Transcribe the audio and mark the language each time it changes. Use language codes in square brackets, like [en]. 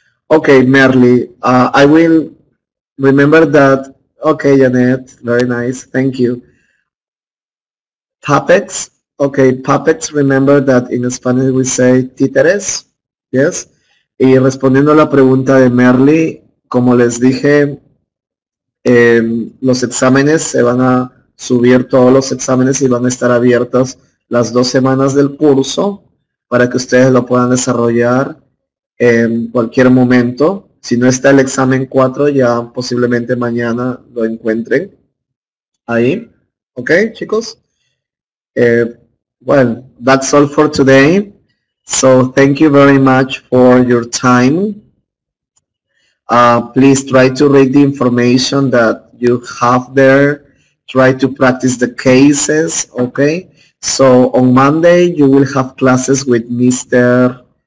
[en] Okay, Merly, I will remember that. Okay, Janet, very nice, thank you. Puppets, okay, puppets, remember that in Spanish we say títeres, yes? [es] Y respondiendo a la pregunta de Merly, como les dije, los exámenes se van a subir, todos los exámenes, y van a estar abiertos las dos semanas del curso para que ustedes lo puedan desarrollar en cualquier momento. Si no está el examen 4, ya posiblemente mañana lo encuentren ahí. Ok, chicos. [en] Well, that's all for today. So thank you very much for your time. Please try to read the information that you have there. Try to practice the cases, okay? So on Monday, you will have classes with Mr.